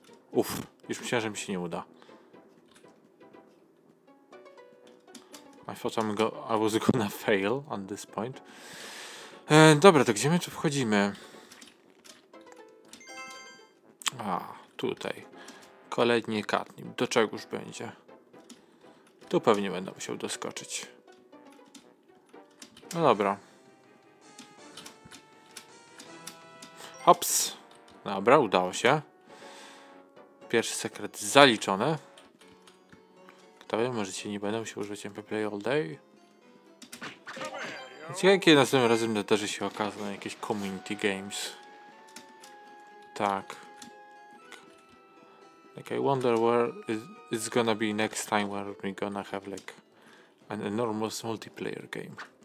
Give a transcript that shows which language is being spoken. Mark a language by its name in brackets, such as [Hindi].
[Polish] Uff, już myślałem, że mi się nie uda. [English] I thought I was gonna fail on this point. [Polish] Dobra, to gdzie my tu wchodzimy? A, tutaj. Kolejny katnip. Do czego już będzie? Tu pewnie będę musiał doskoczyć. No dobra. Hops. Dobra, udało się. Pierwszy sekret zaliczony. Kto wie, może dzisiaj nie będę musiał używać MP Play All Day. Ciekawe, kiedy następnym razem zdarzy się okazać na jakieś community games. Tak. [English] Like I wonder where it's gonna be next time where we're gonna have like an enormous multiplayer game.